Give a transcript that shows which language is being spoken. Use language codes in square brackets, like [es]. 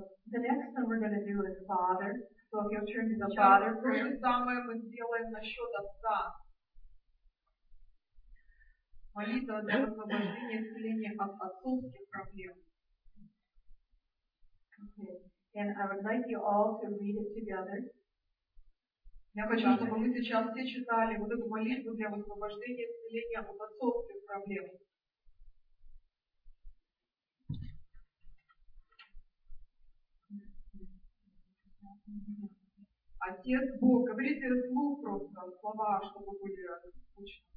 [en] The next thing we're going to do is Father. So if you'll turn to the [ru] сейчас [en] Father prayer. [ru] То же самое мы сделаем насчет Отца. Молитва за освобождение исцеления от отцовских проблем. [en] Okay. And I would like you all to read it together. [ru] Я хочу, чтобы вы сейчас все читали вот эту молитву для освобождения исцеления от отцовских проблем. Отец Бог, говорите вслух просто слова, чтобы были звучны.